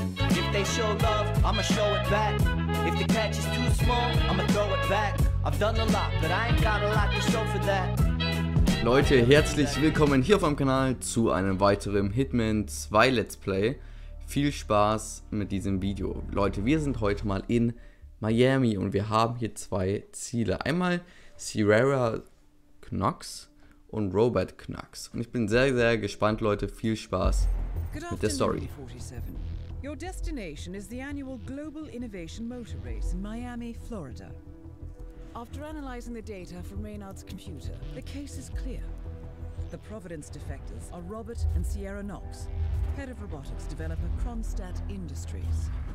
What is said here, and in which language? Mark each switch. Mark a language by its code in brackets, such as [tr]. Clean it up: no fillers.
[en] If they show love, I'ma show it back. If the catch is too small, I'ma throw it back. I've done a lot, but I ain't got a lot to show for that. [de] Leute, herzlich willkommen hier auf meinem Kanal zu einem weiteren Hitman 2 Let's Play. Viel Spaß mit diesem Video. Leute, wir sind heute mal in Miami und wir haben hier zwei Ziele. Einmal Sierra Knox und Robert Knox. Und ich bin sehr, sehr gespannt, Leute. Viel Spaß mit der Story. [en] Your destination is the annual Global Innovation Motor Race in Miami, Florida. After analyzing the data from Reynard's computer, the case is clear. The Providence defectors are Robert and Sierra Knox, head of robotics developer Kronstadt Industries.